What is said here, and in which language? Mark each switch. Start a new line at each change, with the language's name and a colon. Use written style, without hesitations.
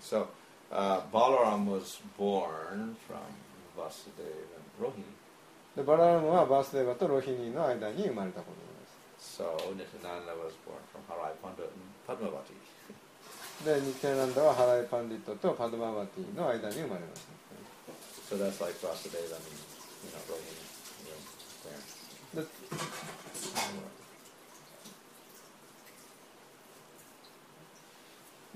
English: So, Balaram was born from Vasudeva and Rohini.
Japanese: で、バラームはバスデーバとロヒニーの間に生まれた子供です。
English: So, Nityananda was born from Harai Pandit and Padmavati.
Japanese: で、ニティアナンダはハライ・パンディットとパドマバティの間に生まれました。
English: So that's like Vasudeva and, you know, Rohini, you know, parents.